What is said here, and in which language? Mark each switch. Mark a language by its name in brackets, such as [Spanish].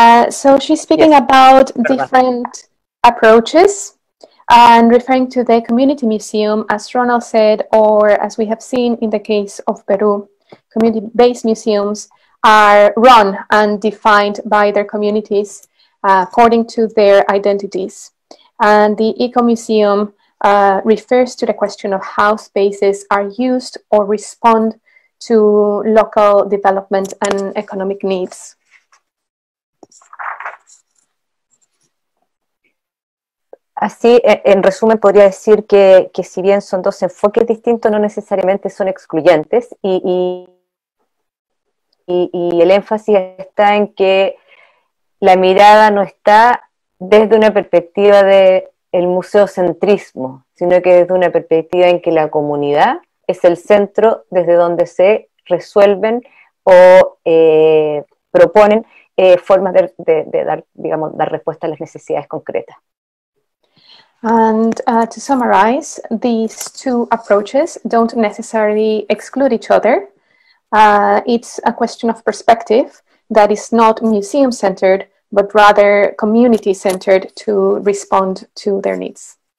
[English] So she's speaking about different approaches and referring to the community museum, as Ronald said, or as we have seen in the case of Peru, community-based museums are run and defined by their communities according to their identities. And the eco-museum refers to the question of how spaces are used or respond to local development and economic needs. [Spanish] Así, en resumen, podría decir que si bien son dos enfoques distintos, no necesariamente son excluyentes, y el énfasis está en que la mirada no está desde una perspectiva del museocentrismo, sino que desde una perspectiva en que la comunidad es el centro desde donde se resuelven o proponen formas de dar, digamos, dar respuesta a las necesidades concretas. [English] And to summarize, these two approaches don't necessarily exclude each other, It's a question of perspective that is not museum-centered, but rather community-centered to respond to their needs.